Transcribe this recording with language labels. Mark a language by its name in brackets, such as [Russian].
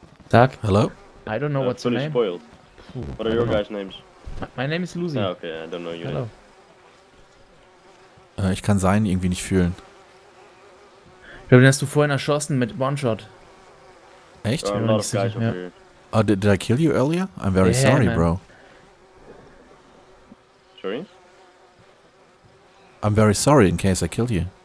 [English] Doug? Hello? I don't know what's your name. Spoiled. What are your guys' names? My name is Lucy. Ah, okay, I don't know your Hello. Name. [German] Ich kann sein irgendwie nicht fühlen. Ich glaube, den hast du vorhin erschossen mit One-Shot. Echt? [English] Oh, guys over here. Oh, did I kill you earlier? I'm very sorry, man. Bro. Sorry? I'm very sorry in case I killed you.